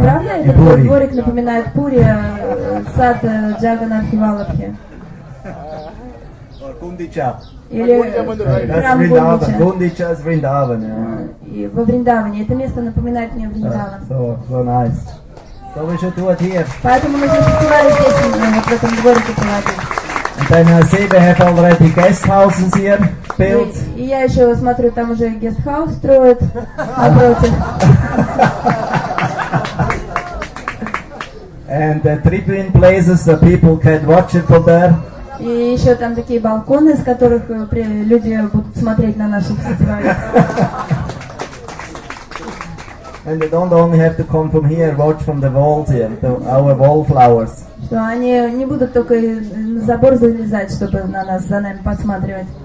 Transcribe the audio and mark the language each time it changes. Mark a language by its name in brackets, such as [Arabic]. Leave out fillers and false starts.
[Russian] Правда, этот дворик напоминает Пури, сад Джагнанатх Валлабхи. [English] Gundicha is Vrindavan. [Russian] Во Вриндаване. Это место напоминает мне Вриндаван. [English] So nice. So we should do it here. [Russian] Поэтому мы здесь фестивали здесь, в этом дворике. [English] And then I see they have already guest houses here. built. [Russian] И я еще смотрю, там уже гестхаус строят напротив. [English] And the tribune places, the people can watch it from there. [Russian] И еще там такие балконы, с которых люди будут смотреть на наши фестивали. [English] And they don't only have to come from here, watch from the walls here, the, our wallflowers. [Russian] Что они не будут только на забор залезать, чтобы на нас, за нами подсматривать.